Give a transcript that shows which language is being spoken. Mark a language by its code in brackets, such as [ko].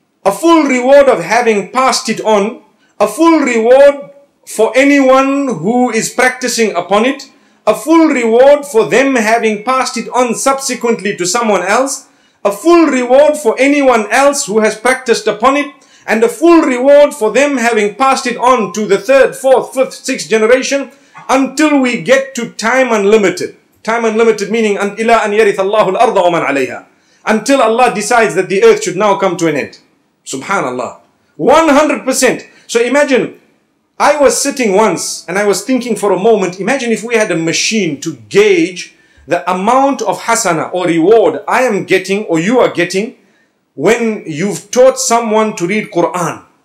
[en] a full reward of having passed it on, a full reward for anyone who is practicing upon it, a full reward for them having passed it on subsequently to someone else, a full reward for anyone else who has practiced upon it, and a full reward for them having passed it on to the third, fourth, fifth, sixth generation, until we get to time unlimited. Time unlimited meaning, [ar] إِلَىٰ أَنْ يَرِثَ اللَّهُ الْأَرْضَ وَمَنْ عَلَيْهَا. [en] Until Allah decides that the earth should now come to an end. Subhanallah. 100%. So imagine, I was sitting once and I was thinking for a moment, imagine if we had a machine to gauge the amount of hasana or reward I am getting or you are getting when you've taught someone to read Quran.